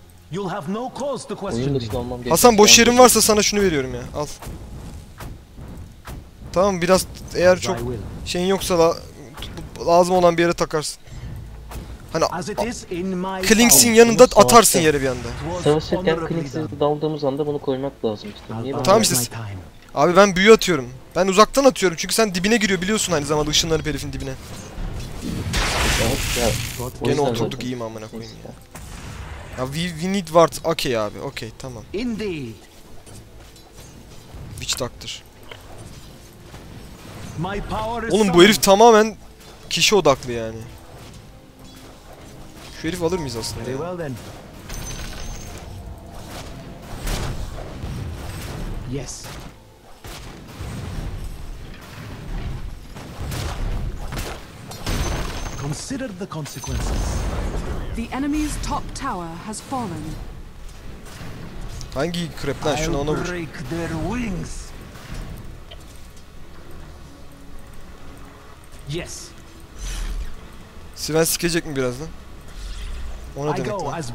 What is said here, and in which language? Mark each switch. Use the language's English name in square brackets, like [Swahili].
[English] You'll have no cause to question. [Turkish] Hasan boş yerim varsa sana şunu veriyorum ya. Al. Tamam, biraz eğer çok şeyin yoksa da lazım olan bir yere takarsın. Hani Klinks'in yanında atarsın yere bir anda. Savaşırken Klinks'in daldığımız anda bunu koymak lazım işte. Tamam işte. Abi ben büyü atıyorum. Ben uzaktan atıyorum çünkü sen dibine giriyor biliyorsun aynı zamanda ışınlanıp herifin dibine. Gene oturduk iyi mi amına koyayım ya. Ya [English] we need ward. [Turkish] Okey abi okey tamam. [English] Indeed. Witch Doctor. [Turkish] Oğlum bu herif tamamen kişi odaklı yani. Şu herif alır mıyız aslında ya? [English] Yes. Consider the consequences. The enemy's top tower has fallen. [Turkish] Hangi krep lan, şunu ona vur. [English] Break their wings. Yes. [Turkish] Sven sikecek mi birazdan? Ona demek lan.